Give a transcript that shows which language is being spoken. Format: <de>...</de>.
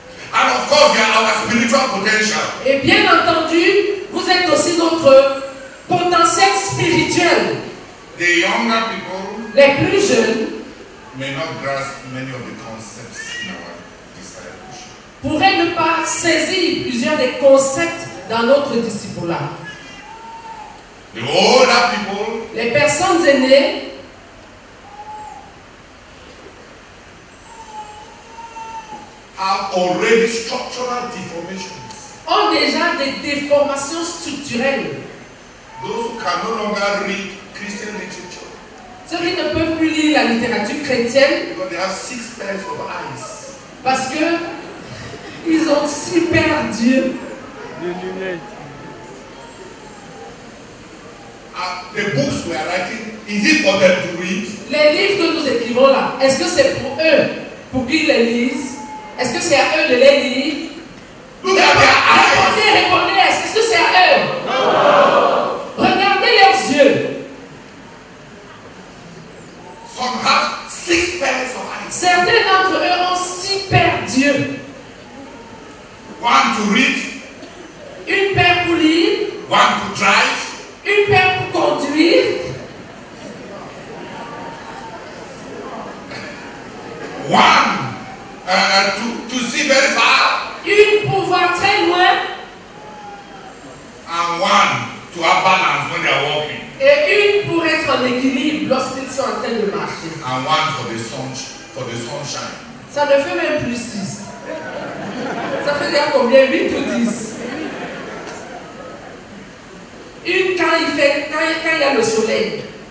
<en>And of course, we are our spiritual potential.</en> <fr>Et bien entendu, vous êtes aussi notre potentiel spirituel.</fr> <en>The younger people,</en> <fr>les plus jeunes,</fr> <en>may not grasp many of the concepts in our discipleship.</en> <fr>Pourraient ne pas saisir plusieurs des concepts dans notre discipulat.</fr> <en>The older people,</en> <fr>les personnes aînées,</fr> <en>have already structural deformations.</en> <fr>Ont déjà des déformations structurelles.</fr> <en>Those who can no longer read Christian literature.</en> <fr>Ceux qui ne peuvent plus lire la littérature chrétienne.</fr> <en>Because they have six pairs of eyes.</en> <fr>Parce que ils ont six paires d'yeux. Des lunettes.</fr> <en>The books we are writing, is it for them to read?</en> <fr>Les livres que nous écrivons là, est-ce que c'est pour eux, pour qu'ils les lisent? Est-ce que c'est à eux de les lire?</fr> <en>Look at their eyes.</en> <fr>Répondez, est-ce que c'est à eux?</fr> <en>No.</en> <fr>Regardez leurs yeux.</fr> <en>Some have six pairs of eyes.</en> <fr>Certains d'entre eux ont six paires d'yeux.</fr> <en>One to read.</en> <fr>Une paire pour lire.</fr> <en>One to drive.</en> <fr>Une paire pour conduire.</fr> <en>One. To see very far.</en> <fr>Une pour voir très loin.</fr> <en>And one to have balance when they are walking.</en> <fr>Et une pour être en équilibre lorsqu'ils sont en train de marcher.</fr> <en>And one for the sunshine.</en> <fr>Ça ne fait même plus 6. Ça fait déjà combien? 8 ou 10. Une quand il y a le soleil.</fr>